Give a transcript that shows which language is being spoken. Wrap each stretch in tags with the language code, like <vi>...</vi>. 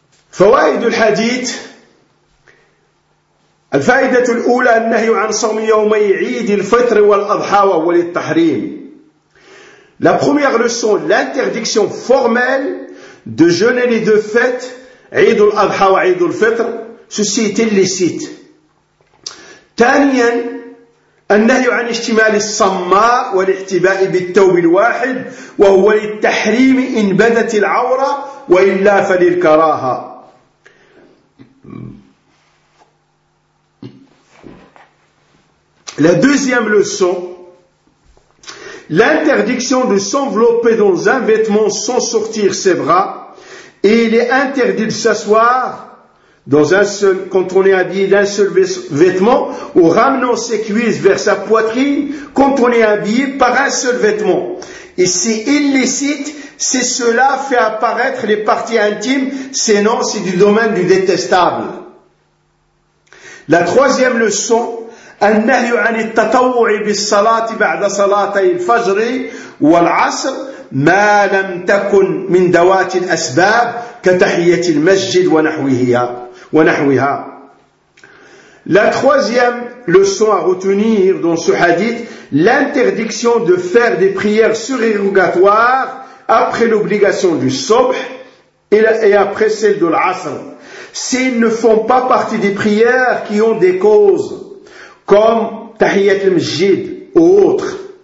<ar>فوائد الحديث: الفائدة الأولى النهي عن صوم يومي عيد الفطر والأضحى وللتحريم.</ar> <fr>La première leçon, l'interdiction formelle de jeûner les deux fêtes,</fr> <ar>عيد الأضحى وعيد الفطر,</ar> <fr>ceci est illicite.</fr> <ar>ثانيا, النهي عن اشتمال الصماء والاحتباء بالثوب الواحد وهو للتحريم إن بدت العورة وإلا فللكراهة.</ar> <fr>La deuxième leçon, l'interdiction de s'envelopper dans un vêtement sans sortir ses bras, et il est interdit de s'asseoir dans un seul, quand on est habillé d'un seul vêtement, ou ramenant ses cuisses vers sa poitrine quand on est habillé par un seul vêtement. Et c'est illicite, si cela fait apparaître les parties intimes, sinon c'est du domaine du détestable. La troisième leçon,</fr> <ar>النهي عن التطوع بالصلاة بعد صلاتي الفجر والعصر ما لم تكن من ذوات الأسباب كتحية المسجد ونحوها.</ar> <fr>La troisième leçon à retenir dans ce hadith, l'interdiction de faire des prières surérogatoires après l'obligation du Sobh et après celle de l'Asr, s'ils ne font pas partie des prières qui ont des causes comme tahiyyat al-masjid ou autre.</fr>